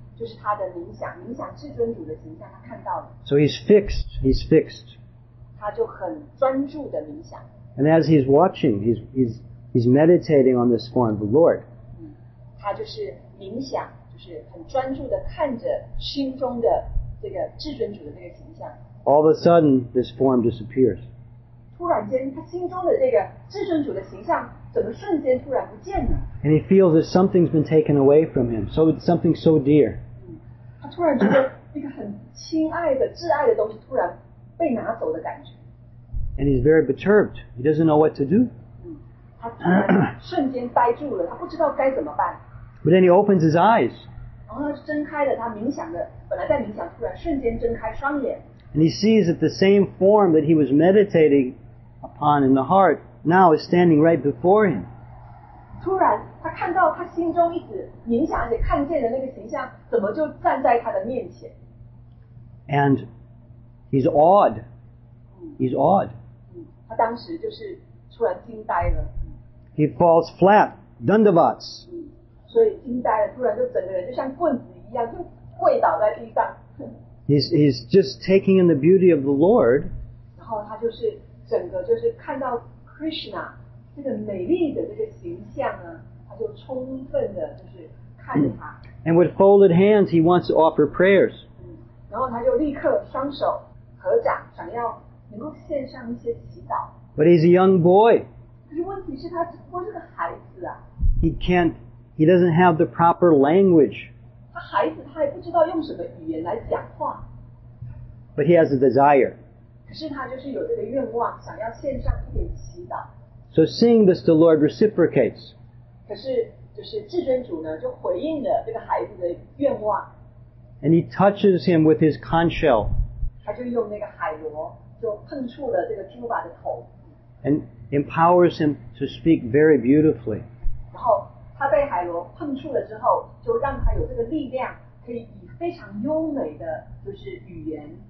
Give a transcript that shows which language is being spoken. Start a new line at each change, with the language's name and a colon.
Chinese: 就是他的冥想，冥想至尊主的形象，他看到了。
English: So he's fixed.
Chinese: 他就很专注的冥想。
English: And as he's watching, he's meditating on this form of the Lord.
Chinese: 他就是冥想，就是很专注的看着心中的这个至尊主的这个形象。
English: All of a sudden, this form disappears.
Chinese: 突然间，他心中的这个至尊主的形象。怎么瞬间突然不见了？
English: And he feels that something's been taken away from him, so it's something so dear.
Chinese: 他突然觉得一个很亲爱的、挚爱的东西突然被拿走的感觉。
English: And he's very perturbed. He doesn't know what to do.
Chinese: 他突然瞬间呆住了，他不知道该怎么办。
English: But then he opens his eyes.
Chinese: 然后他睁开了他冥想的，本来在冥想，突然瞬间睁开双眼。
English: And he sees that the same form that he was meditating upon in the heart. Now is standing right before him.
Chinese: 突然，他看到他心中一直冥想而且看见的那个形象，怎么就站在他的面前
English: ？And he's awed. He's awed.
Chinese: 他当时就是突然惊呆了。
English: He falls flat, dandavats.
Chinese: 所以惊呆了，突然就整个人就像棍子一样，就跪倒在地上。
English: he's just taking in the beauty of the Lord.
Chinese: 然后他就是整个就是看到。 Krishna 这个美丽的这个形象呢，他就充分的就是看着他。
English: And with folded hands, he wants to offer prayers.
Chinese: 然后他就立刻双手合掌，想要能够献上一些祈祷。
English: But he's a young boy.
Chinese: 可是问题是他只不过是个孩子啊。
English: He doesn't have the proper language.
Chinese: 他孩子他还不知道用什么语言来讲话。
English: But he has a desire.
Chinese: 可是他就是有这个愿望，想要献上一点祈祷。
English: So seeing this, the Lord reciprocates.
Chinese: 可是就是至尊主呢，就回应了这个孩子的愿望。
English: And he touches him with his conch shell.
Chinese: 他就用那个海螺就碰触了这个猪爸的头。
English: And empowers him to speak very beautifully.
Chinese: 然后他被海螺碰触了之后，就让他有这个力量，可以以非常优美的就是语言。